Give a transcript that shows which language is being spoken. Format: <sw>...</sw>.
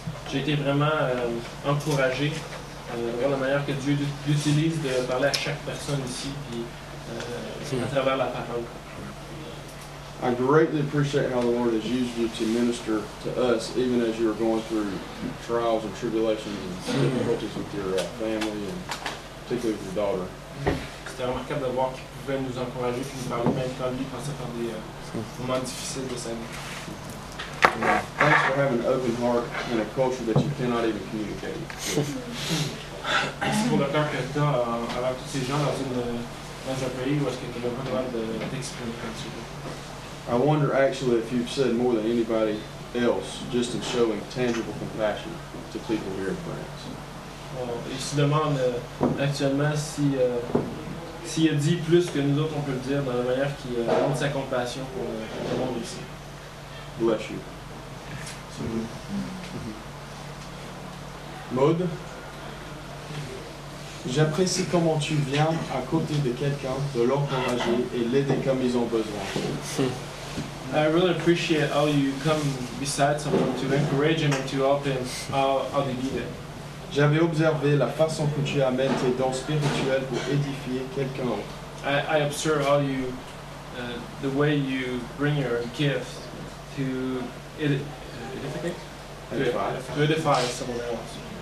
<fr>J'ai été vraiment encouragé à la manière que Dieu utilise de parler à chaque personne ici, puis à travers la parole.</fr> <en>I greatly appreciate how the Lord has used you to minister to us, even as you are going through trials and tribulations and difficulties with your family, and particularly with your daughter.</en> <fr>C'était remarquable de voir qu'il pouvait nous encourager puis nous parler même quand lui passait par des moments difficiles de sa vie.</fr> <en>Thanks for having an open heart and a culture that you cannot even communicate with.</en> <fr>Merci pour le temps que tu as avec tous ces gens dans un pays où est-ce que tu n'as pas le droit de t'exprimer comme tu veux.</fr> <en>I wonder actually if you've said more than anybody else just in showing tangible compassion to people here in France.</en> <fr>Il se demande actuellement s'il a dit plus que nous autres on peut le dire dans la manière qu'il montre sa compassion pour tout le monde ici.</fr> <en>Bless you.</en> <fr>Maud, j'apprécie comment tu viens à côté de quelqu'un, de l'encourager et l'aider comme ils ont besoin.</fr> <en>I really appreciate how you come beside someone to encourage him and to help him how they need it.</en> <fr>J'avais observé la façon que tu amènes tes dons spirituels pour édifier quelqu'un d'autre.</fr> <en>I observe how you, the way you bring your gifts to edify someone else.</en>